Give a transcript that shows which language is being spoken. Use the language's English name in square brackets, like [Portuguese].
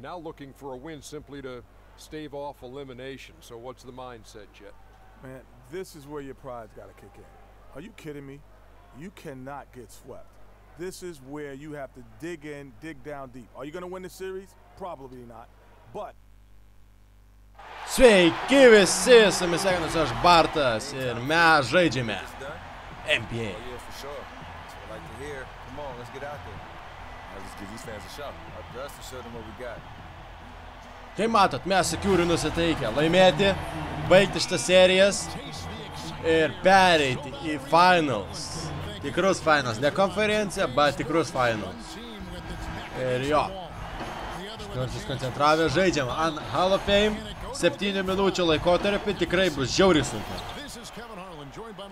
[English] Now looking for a win simply to stave off elimination. So what's the mindset, Chet? Man, this is where your pride's got to kick in. Are you kidding me? You cannot get swept. This is where you have to dig in, dig down deep. Are you going to win the series? Probably not. But. [Lithuanian] Sveiki visi, su jumis sveikinuosi aš, Bartas, ir mes žaidžiame NBA. [English] Oh, yeah, for sure. That's what I like to hear. Come on, let's get out there. Let's just give these fans a shot. Up to us to show them what we got. [Lithuanian] Kaip matot, mes su Kiuriu nusiteikę laimėti, baigti šitas serijas ir pereiti į finals. Tikrus finals, ne konferencija, bet tikrus finals. Ir jo, šiandien koncentravę žaidžiam ant Hall of Fame, 7 minučių laikotarpį, tikrai bus žiauriai sunku.